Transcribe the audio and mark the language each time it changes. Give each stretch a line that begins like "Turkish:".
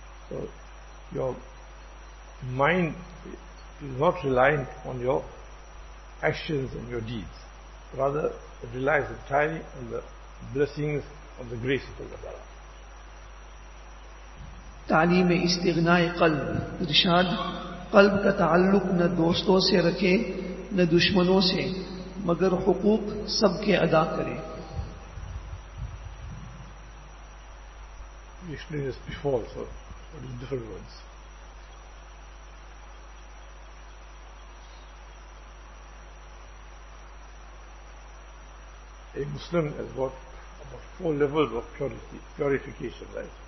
English: So your mind is not reliant on your actions and your deeds. Rather, it relies entirely on the blessings of the grace of Allah.
Urdu: تعلیم استغناء قلب. ارشاد: قلب کا تعلق نہ دوستوں سے رکھے نہ دشمنوں سے، مگر حقوق سب کے ادا کرے.
English: We explained this before, so what is different words. A Muslim has got about four levels of purification, right?